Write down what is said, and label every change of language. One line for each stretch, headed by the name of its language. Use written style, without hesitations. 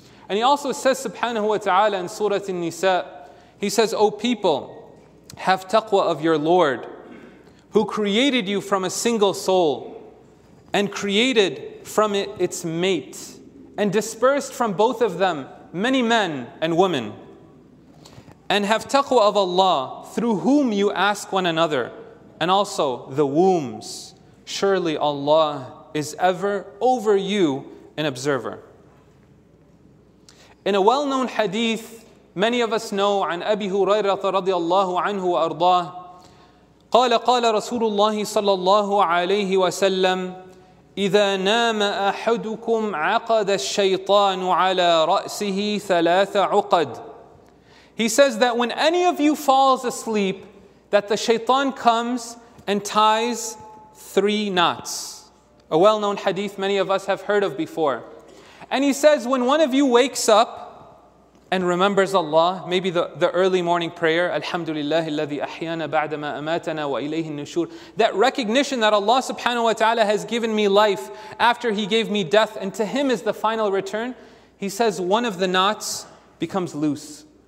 English: And He also says subhanahu wa ta'ala in Surah An-Nisa, He says, O people, have taqwa of your Lord who created you from a single soul and created from it its mate and dispersed from both of them many men and women, and have taqwa of Allah through whom you ask one another, and also the wombs. Surely Allah is ever over you an observer. In a well-known hadith, many of us know,
Arabic: عن أبي هريرة رضي الله عنه وأرضاه قال قال رسول الله صلى الله عليه وسلم: إذا نام أحدكم عقد الشيطان على رأسه ثلاث عقد.
English: He says that when any of you falls asleep, that the shaitan comes and ties three knots. A well-known hadith many of us have heard of before. And he says, when one of you wakes up and remembers Allah, maybe the early morning prayer, Alhamdulillah
Arabic: الذي أحيانا بعدما أماتنا وإليه النشور,
English: that recognition that Allah subhanahu wa ta'ala has given me life after He gave me death, and to Him is the final return, he says one of the knots becomes loose.